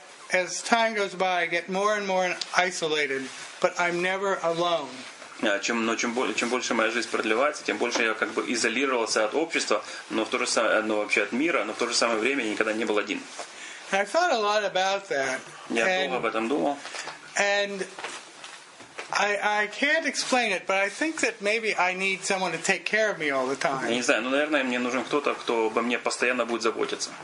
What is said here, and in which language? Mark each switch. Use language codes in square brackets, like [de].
[en] As time goes by, I get more and more isolated, but I'm never alone. [ru] Чем больше моя жизнь продлевается, тем больше я как бы изолировался от общества, но вообще от мира, но в то же самое время я никогда не был один. [en] I thought a lot about that. [ru] Я долго об этом думал. [en] And I can't explain it, but I think that maybe I need someone to take care of me all the time. [ru] Я не знаю, но, наверное, мне нужен кто-то, кто обо мне постоянно будет заботиться.